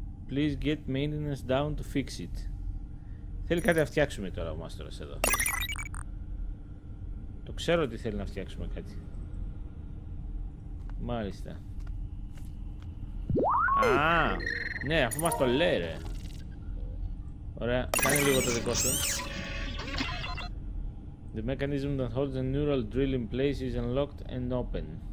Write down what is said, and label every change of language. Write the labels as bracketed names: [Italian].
[English] Please get maintenance down to fix it. [Greek] Θέλει κάτι να φτιάξουμε τώρα ο μάστορας εδώ. Το ξέρω ότι θέλει να φτιάξουμε κάτι. Μάλιστα. Α, ναι, αφού μας το λέει ρε. Ωραία, κάνε λίγο το δικό σου. [English] The mechanism that holds the neural drill in place is unlocked and open.